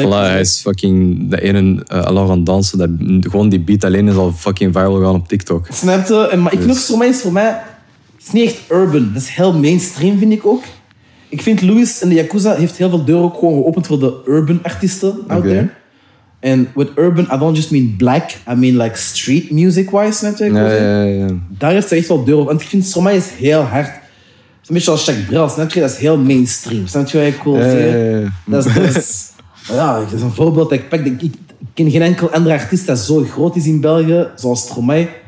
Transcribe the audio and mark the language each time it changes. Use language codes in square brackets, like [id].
[nl] Voilà, hij is fucking... De ene Alain aan dansen. Dat, gewoon die beat alleen is al fucking viral gaan op TikTok. Snap je? Maar ik vind ook Stromae is voor mij... Het is niet echt urban. Dat is heel mainstream, vind ik ook. Ik vind Louis en de Yakuza heeft heel veel deuren ook gewoon geopend voor de urban artiesten [en] out there. En with urban, I don't just mean black. I mean like street music-wise, net [nl] zoals ja. Daar heeft ze echt wel deuren op. Want ik vind Stromae is heel hard. Het is een beetje als Jacques Brel, snap je? Dat is heel mainstream. Snap je wat ik wil zeggen? Dat is een voorbeeld dat ik pak. Ik ken geen enkel andere artiest dat zo groot is in België, zoals Stromae.